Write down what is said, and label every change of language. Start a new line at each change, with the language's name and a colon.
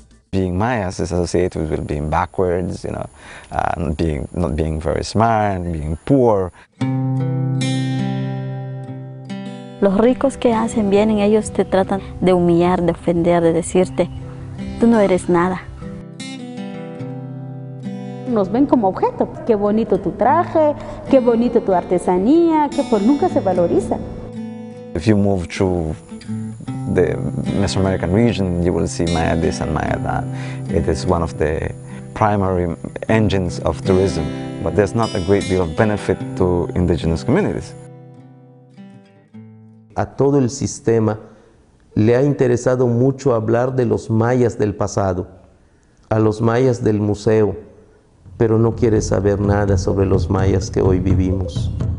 English: Being Mayas is associated with being backwards, you know, not being very smart, being poor.
Spanish: Los ricos que hacen vienen, ellos te tratan de humillar, de ofender, de decirte, tú no eres nada. Nos ven como objeto. Qué bonito tu traje, qué bonito tu artesanía, que por nunca se valoriza.
English: If you move through the Mesoamerican region, you will see Maya this and Maya that. It is one of the primary engines of tourism, but there's not a great deal of benefit to indigenous communities.
Spanish: A todo el sistema le ha interesado mucho hablar de los mayas del pasado, a los mayas del museo, pero no quiere saber nada sobre los mayas que hoy vivimos.